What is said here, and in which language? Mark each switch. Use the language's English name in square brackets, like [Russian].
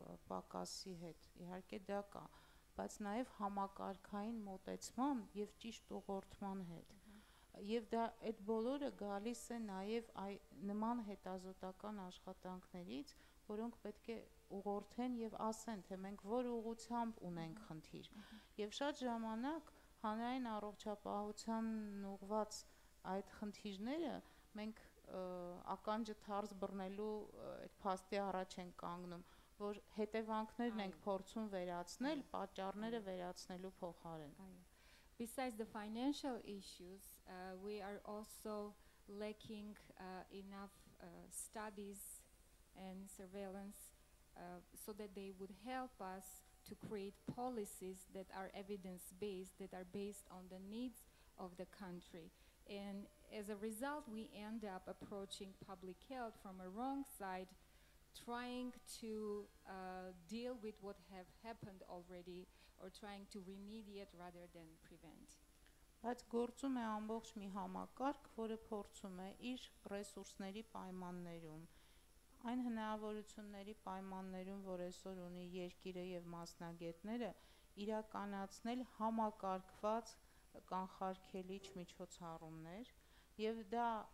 [Armenian] պակասի հետ, իհարկե դա կա, բայց նաեւ համակարգային մոտեցման եւ ճիշտ ուղղորդման հետ։ Եվ դա այդ բոլորը գալիս է նաեւ այ նման հետազոտական աշխատանքներից, որոնք պետք է ուղղորդեն եւ ասեն, թե մենք որ ուղղությամբ ունենք խնդիր։ Եվ շատ ժամանակ հանրային առողջապահության ուղված այդ խնդիրները մենք ականջը թարս բռնելու այդ փաստի առաջ ենք կանգնում, որ հետևանքներն ենք փորձում վերացնել, պատճառները վերացնելու փոխարեն։ [English] Besides the financial issues, we are also lacking enough studies and surveillance so that they would help us to create policies that are evidence-based, that are based on the needs of the country. And as a result, we end up approaching public health from a wrong side, trying to deal with what have happened already, or trying to remediate rather than prevent. [Armenian] Բայց գործում է ամբողջ մի համակարգ, որը փորձում է իր ռեսուրսների պայմաններում, այն հնարավորությունների պայմաններում, որ այսօր ունի երկիրը եւ մասնագետները, իրականացնել համակարգված կանխարգելիչ միջոցառումներ, եւ դա